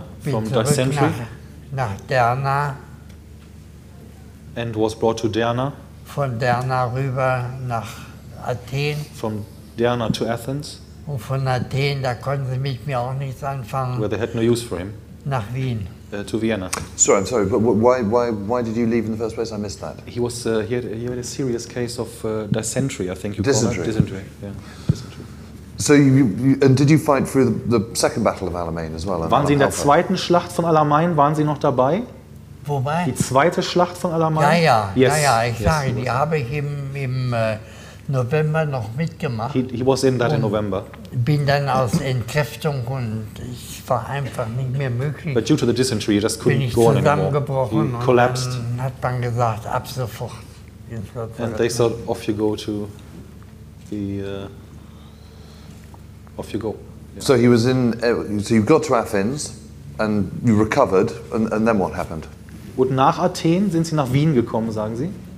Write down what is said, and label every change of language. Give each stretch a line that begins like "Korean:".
German: dysentery. Nach Derna.
English: And was brought to Derna.
German: Von Derna rüber nach Athen.
English: From Derna to Athens.
German: Und von Athen, da konnten sie mit mir auch nichts anfangen.
English: Where they had no use for him.
German: Nach Wien.
English: To Vienna. Sorry, but why did you leave in the first place? I missed that. He was he had a serious case of dysentery, I think you dysentery. Call it. Dysentery. Dysentery. So you did you fight through the second battle of Alamein as well?
German: Waren Sie in der zweiten Schlacht von Alamein, waren Sie noch dabei? Wobei? Die zweite Schlacht von Alamein? Ja, ja.
English: Yes.
German: Ja, ja, ich sage,
English: yes,
German: die habe ich im November noch mitgemacht.
English: He was in that in November.
German: Bin dann aus Entkräftung und ich war einfach nicht mehr möglich.
English: But due to the dysentery, you just couldn't go on anymore.
German: Bin ich zusammengebrochen und
English: collapsed.
German: Dann hat man gesagt, ab sofort.
English: And they thought, off you go to the, off you go. Yeah. So he was in, so you got to Athens and you recovered and then what happened?
German: Und nach Athen sind Sie nach Wien gekommen, sagen Sie?